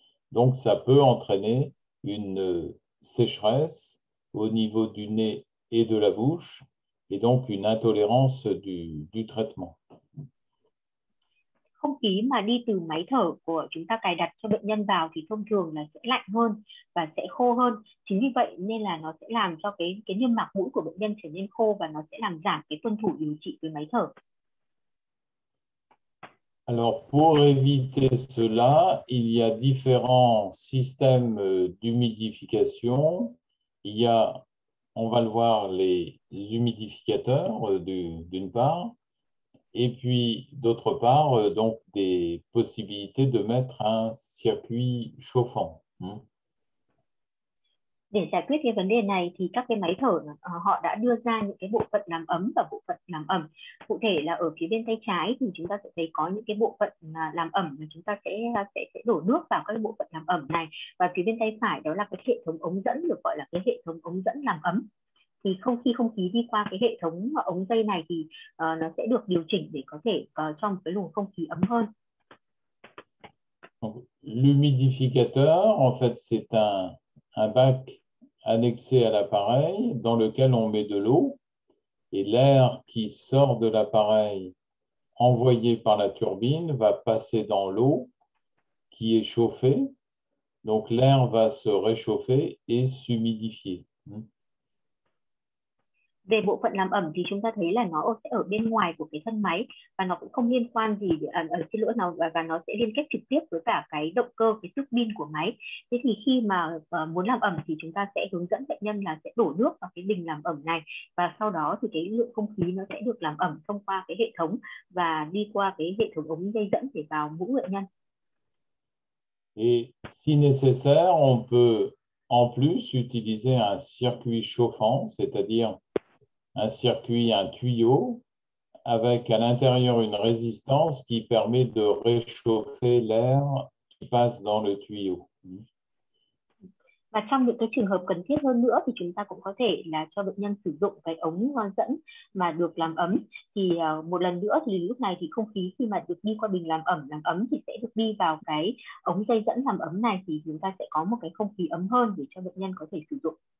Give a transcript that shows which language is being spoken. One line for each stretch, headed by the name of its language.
French: Donc, ça peut entraîner une sécheresse au niveau du nez et de la bouche, et donc une intolérance du traitement.
Vietnamese: Không khí mà đi từ máy thở của chúng ta cài đặt cho bệnh nhân vào thì thông thường là sẽ lạnh hơn và sẽ khô hơn. Chính vì vậy nên là nó sẽ làm cho cái niêm mạc mũi của bệnh nhân trở nên khô, và nó sẽ làm giảm cái tuân thủ điều trị với máy thở.
French: Alors, pour éviter cela, il y a différents systèmes d'humidification. Il y a on va le voir, les humidificateurs d'une part, et puis d'autre part, donc des possibilités de mettre un circuit chauffant.
Vietnamese: Để giải quyết cái vấn đề này thì các cái máy thở họ đã đưa ra những cái bộ phận làm ấm và bộ phận làm ẩm. Cụ thể là ở phía bên tay trái thì chúng ta sẽ thấy có những cái bộ phận làm ẩm mà chúng ta sẽ đổ nước vào các cái bộ phận làm ẩm này. Và phía bên tay phải đó là cái hệ thống ống dẫn, được gọi là cái hệ thống ống dẫn làm ấm. Thì không khi không khí đi qua cái hệ thống ống dây này thì nó sẽ được điều chỉnh để có thể cho một cái luồng không khí ấm hơn.
French: L'humidificateur, en fait, c'est un bac annexé à l'appareil dans lequel on met de l'eau, et l'air qui sort de l'appareil envoyé par la turbine va passer dans l'eau qui est chauffée. Donc l'air va se réchauffer et s'humidifier.
Vietnamese: Về bộ phận làm ẩm thì chúng ta thấy là nó sẽ ở bên ngoài của cái thân máy và nó cũng không liên quan gì và nó sẽ liên kết trực tiếp với cả cái động cơ, cái tuốc bin của máy. Thế thì khi mà muốn làm ẩm thì chúng ta sẽ hướng dẫn bệnh nhân là sẽ đổ nước vào cái bình làm ẩm này, và sau đó thì cái lượng không khí nó sẽ được làm ẩm thông qua cái hệ thống và đi qua cái hệ thống ống dây dẫn để vào mũi bệnh nhân.
French: Et si nécessaire, on peut en plus utiliser un circuit chauffant, c'est-à-dire un circuit, un tuyau, avec à l'intérieur une résistance qui permet de réchauffer l'air qui passe dans le tuyau.
Vietnamese: Và trong những cái trường hợp cần thiết hơn nữa thì chúng ta cũng có thể là cho bệnh nhân sử dụng cái ống dẫn mà được làm ấm. Thì một lần nữa thì lúc này thì không khí khi mà được đi qua bình làm ấm thì sẽ được đi vào cái ống dây dẫn làm ấm này, thì chúng ta sẽ có một cái không khí ấm hơn để cho bệnh nhân có thể sử dụng.